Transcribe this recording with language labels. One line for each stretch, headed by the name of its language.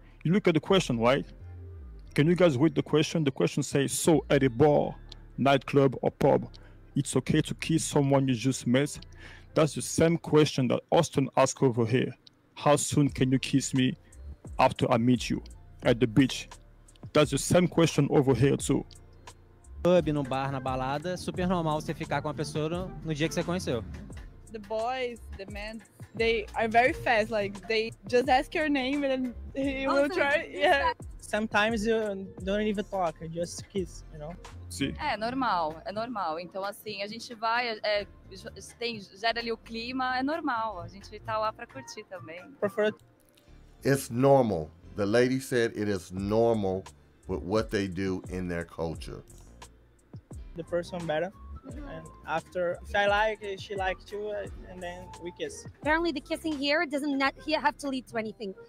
English: You look at the question, right? Can you guys read the question? The question says, so at a bar, nightclub, or pub, it's okay to kiss someone you just met? That's the same question that Austin asked over here. How soon can you kiss me after I meet you at the beach? That's the same question over here too.
Portuguese: Pub, no bar, na balada, super normal você ficar com a pessoa no dia que você conheceu.
English: The boys, the men, they are very fast, like they just ask your name and then he also will try, yeah. Sometimes you don't even talk, you just kiss, you know?
Portuguese: Sim. É normal, então assim, a gente vai, gera ali o clima, é normal, a gente tá lá pra curtir também.
English: Preferred. It's normal, the lady said it is normal with what they do in their culture. The first one better, and after, if I like, she likes too, and then we kiss. Apparently the kissing here doesn't have to lead to anything.